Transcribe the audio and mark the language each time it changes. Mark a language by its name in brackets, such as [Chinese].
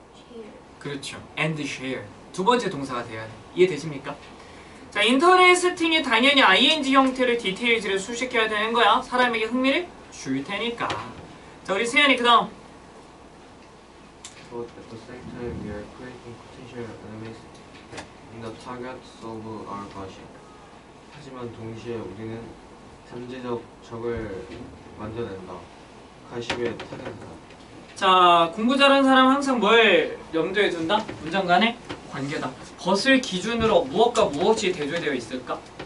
[English] Share. [Korean] 그렇죠. [English] And share. [Korean] 두 번째 동사가 돼야 돼. 이해되십니까? 자, 인터레스팅이 당연히 ing 형태로 디테일즈를 수식해야 되는 거야. 사람에게 흥미를 줄 테니까. 자, 우리 세연이 그 다음. [English] But at the same time, we are creating potential enemies in the targets of our budget. [Korean] 하지만 동시에 우리는 잠재적 적을 만들어낸다. 가시의 타겟이다. 자, 공부 잘하는 사람 항상 뭘 염두에 둔다? 문장 간의 관계다. But을 기준으로 무엇과 무엇이 대조되어 있을까?